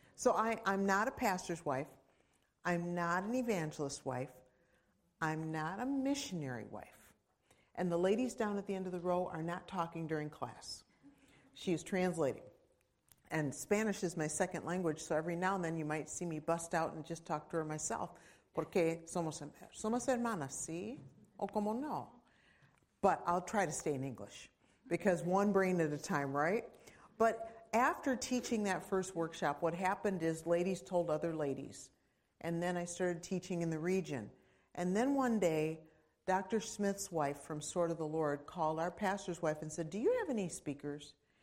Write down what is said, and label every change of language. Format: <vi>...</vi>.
<en>So I'm not a pastor's wife. I'm not an evangelist wife. I'm not a missionary wife. And the ladies down at the end of the row are not talking during class. She is translating. And Spanish is my second language, so every now and then you might see me bust out and just talk to her myself.</en> <es>Porque somos hermanas, ¿sí? O como no.</es> <en>But I'll try to stay in English. Because one brain at a time, right? But after teaching that first workshop, what happened is ladies told other ladies. And then I started teaching in the region. And then one day, Dr. Smith's wife from Sword of the Lord called our pastor's wife and said, do you have any speakers?</en>